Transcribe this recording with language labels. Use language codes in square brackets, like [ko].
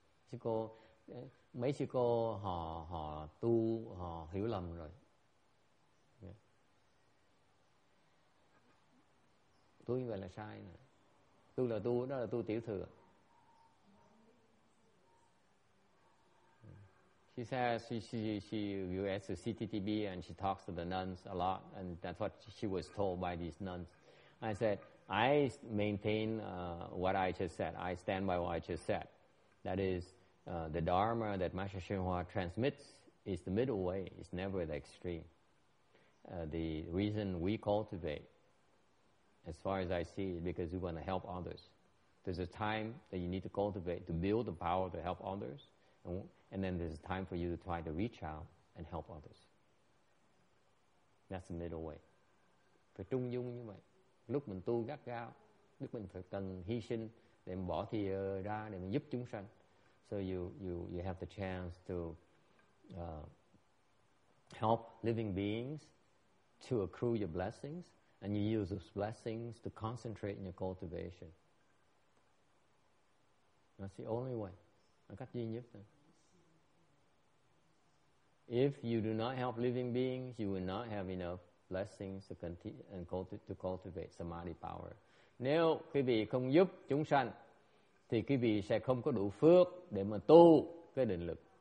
[vi] Chứ cô, mấy sư cô họ họ tu, họ hiểu lầm rồi. Tu như vậy là sai nè. Tu là tu, đó là tu tiểu thừa. [en] She says she goes to CTTB and she talks to the nuns a lot, and that's what she was told by these nuns. I said, I maintain what I just said. I stand by what I just said. That is, the Dharma that Master Shenhua transmits is the middle way. It's never the extreme. The reason we cultivate, as far as I see, is because we want to help others. There's a time that you need to cultivate to build the power to help others. And then there's time for you to try to reach out and help others. That's the middle way. [vi] Phải trung dung như vậy. Lúc mình tu gắt gao, lúc mình phải cần hy sinh để mình bỏ thì ra để mình giúp chúng sanh. [en] So you have the chance to help living beings to accrue your blessings, and you use those blessings to concentrate in your cultivation. That's the only way. [vi] Cách duy nhất thôi. [en] If you do not help living beings, you will not have enough blessings to cultivate samadhi power. [vi] Nếu quý vị không giúp chúng sanh, thì quý vị sẽ không có đủ phước để mà tu cái định lực.